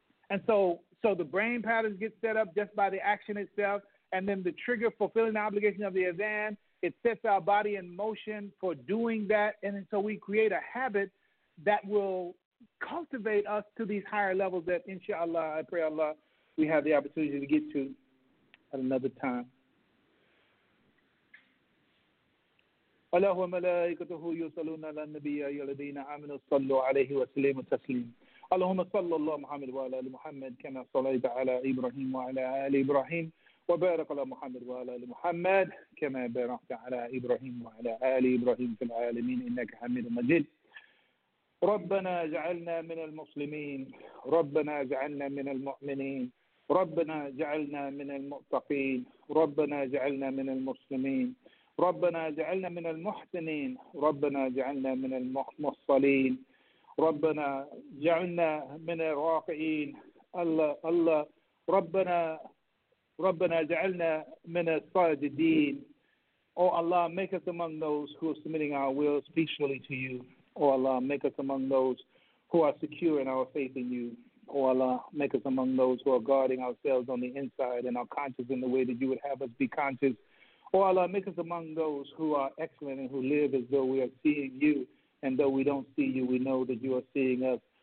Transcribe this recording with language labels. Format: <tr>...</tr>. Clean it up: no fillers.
<en>And so the brain patterns get set up just by the action itself, and then the trigger fulfilling the obligation of the azan, it sets our body in motion for doing that, and so we create a habit that will cultivate us to these higher levels that, inshallah, I pray Allah, we have the opportunity to get to at another time.</en> <ar>اللهم ملائكته يصلون على النبي يا الذين امنوا صلوا عليه وسلموا تسليما اللهم صل على محمد وعلى ال محمد كما صليت على ابراهيم وعلى ال ابراهيم وبارك على محمد وعلى ال محمد كما باركت على ابراهيم وعلى ال ابراهيم في العالمين انك حميد مجيد ربنا اجعلنا من المسلمين ربنا اجعلنا من المؤمنين ربنا اجعلنا من المتقين ربنا اجعلنا من المسلمين ربنا اجعلنا من المحسنين ربنا اجعلنا من المصلين ربنا اجعلنا من الراقيين الله الله ربنا اجعلنا من الصادقين</ar> <en>Oh Allah, make us among those who are submitting our wills peacefully to you. Oh Allah, make us among those who are secure in our faith in you. Oh Allah, make us among those who are guarding ourselves on the inside and are conscious in the way that you would have us be conscious. Oh Allah, make us among those who are excellent and who live as though we are seeing you, and though we don't see you, we know that you are seeing us.</en>